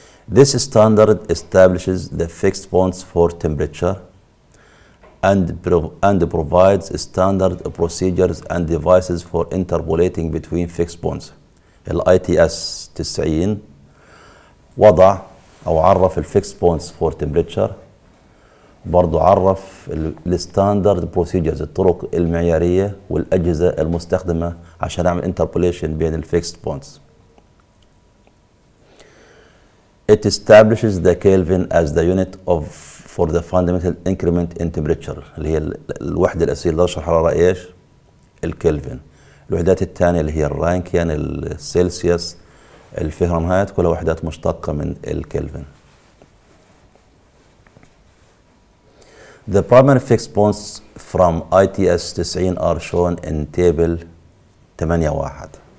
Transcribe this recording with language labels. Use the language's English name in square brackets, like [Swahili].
[English] This standard establishes the fixed points for temperature and provides standard procedures and devices for interpolating between fixed points. [Arabic] الITS 90 وضع أو عرف [English] fixed points for temperature، [Arabic] برضو عرف standard procedures الطرق المعيارية والأجهزة المستخدمة عشان نعمل interpolation بين fixed points. [English] It establishes the Kelvin as the unit of for the fundamental increment in temperature، [Arabic] اللي هي الوحدة الأساسية لدرجة الحرارة إيش؟ الكلفن. الوحدات الثانية اللي هي الرانكين، السيلسيوس، الفهرنهايت، كلها وحدات مشتقة من الكلفن. [English] The primary fixed points from ITS 90 are shown in table 8.1.